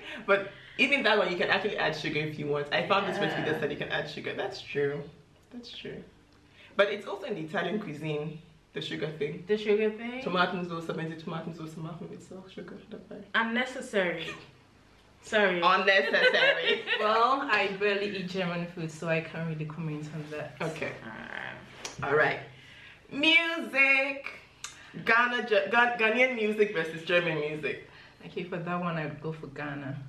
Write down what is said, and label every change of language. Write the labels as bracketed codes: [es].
[en] But even that one, you can actually add sugar if you want. I found this recipe that said you can add sugar. That's true. But it's also in the Italian cuisine, the sugar thing? [de] Tomatensauce, wenn sie Tomatensauce machen, ist auch Sugar dabei. [en] Unnecessary. Sorry. Unnecessary. Well, I barely eat German food, so I can't really comment on that. Okay. All right. Music. Ghanaian music versus German music. Okay, for that one, I'd go for Ghana.